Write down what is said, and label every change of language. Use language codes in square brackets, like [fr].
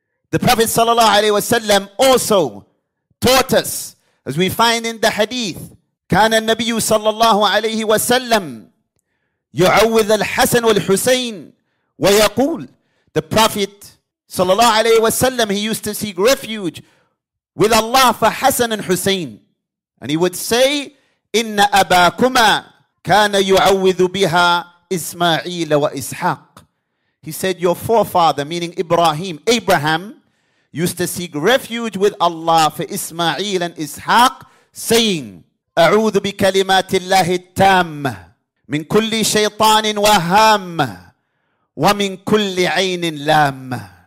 [en] The Prophet sallallahu alaihi wasallam also taught us, as we find in the hadith, [ar] كان النبي صلى الله عليه وسلم يعوذ الحسن والحسين ويقول. [en] The Prophet صلى الله عليه وسلم, he used to seek refuge with Allah for Hasan and Hussein. And he would say, [ar] إن أباكما كان يعوذ بها إسماعيل وإسحاق. [en] He said, your forefather, meaning Abraham, used to seek refuge with Allah for Ismail and Ishaq, saying, [ar] أعوذ بكلمات الله التام من كل شيطان وهام ومن كل عين لام.